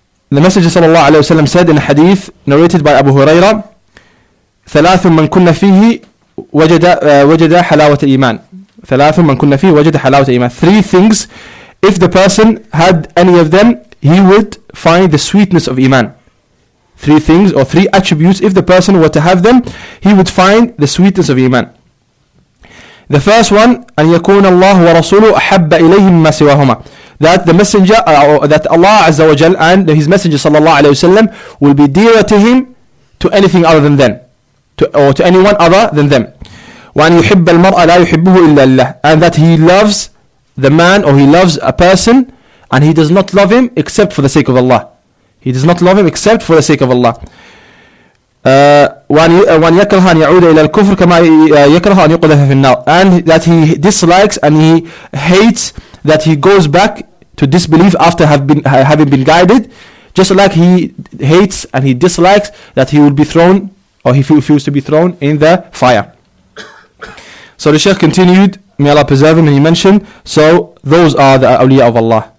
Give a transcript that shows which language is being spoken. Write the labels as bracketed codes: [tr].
[en] The Messenger sallallahu alayhi wa sallam said in a hadith narrated by Abu Huraira, [ar] ثَلَاثٌ مَنْ كُنَّ فِيهِ وَجَدَ حَلَاوَةَ الْإِيمَانِ [en] ثَلَاثٌ مَنْ كُنَّ فِيهِ وَجَدَ حَلَاوَةَ الْإِيمَانِ. Three things, if the person had any of them, he would find the sweetness of Iman. Three things or three attributes, if the person were to have them, he would find the sweetness of Iman. The first one, [ar] أن يكون الله ورسوله أحب إليهم ما سواهما. [en] That the messenger, that Allah Azza wa Jal and his messenger sallallahu alayhi wa sallam will be dearer to him to anything other than them, to anyone other than them. [ar] وأن يحب المرء لا يحبه إلا الله. [en] And that he loves the man or he loves a person and he does not love him except for the sake of Allah. He does not love him except for the sake of Allah. [ar] وأن يكره أن يعود إلى الكفر كما يكره أن يقذف في النار. [en] And that he dislikes and he hates that he goes back to disbelief after having been guided, just like he hates and he dislikes that he will be thrown or he refuses to be thrown in the fire. So the Shaykh continued, may Allah preserve him, and he mentioned, so those are the awliya of Allah.